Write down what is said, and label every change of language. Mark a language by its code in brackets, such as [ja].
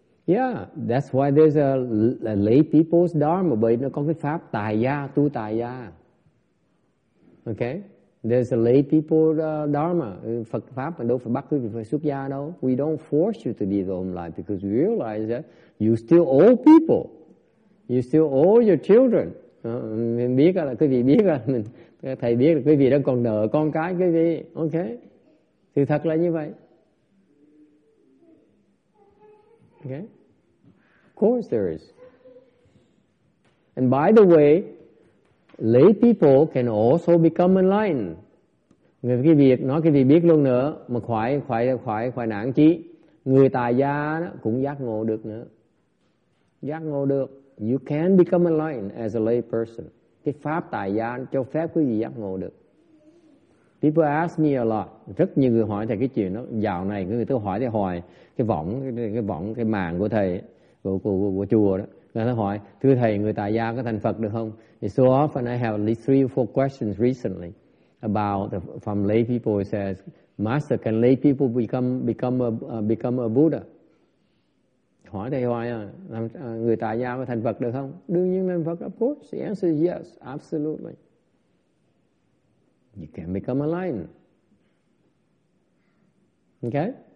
[en] Yeah, that's why there's a lay people's dharma, [vi] bởi nó có cái pháp tài gia, tu tài gia. [en] Okay? There's a lay people's dharma. [vi] Phật pháp mà đâu phải bắt quý vị phải xuất gia đâu. [en] We don't force you to be the home life because we realize that you still owe people. You still owe your children. [vi] Mình biết là quý vị biết là thầy biết là quý vị đang còn nợ con cái quý vị. Okay? Thì thật là như vậy. [en] Okay? Of course there is. And by the way, lay people can also become enlightened. [vi] Người cái việc nói cái gì biết luôn nữa, mà khỏi nản chí. Người tài gia cũng giác ngộ được nữa. Giác ngộ được. [en] You can become enlightened as a lay person. [vi] Cái pháp tài gia cho phép quý vị giác ngộ được. [en] People ask me a lot. [vi] Rất nhiều người hỏi thầy cái chuyện đó. Dạo này người ta hỏi thầy hỏi cái võng, cái màn của thầy của chùa đó. Người ta hỏi, thưa thầy, người tại gia có thành Phật được không? [en] And so often I have at least 3 or 4 questions recently about from lay people. It says, Master, can lay people become a Buddha? [vi] Hỏi thầy hỏi, người tại gia có thành Phật được không? Đương nhiên thành Phật, [en] of course. The answer is yes, absolutely. You can become enlightened. Okay?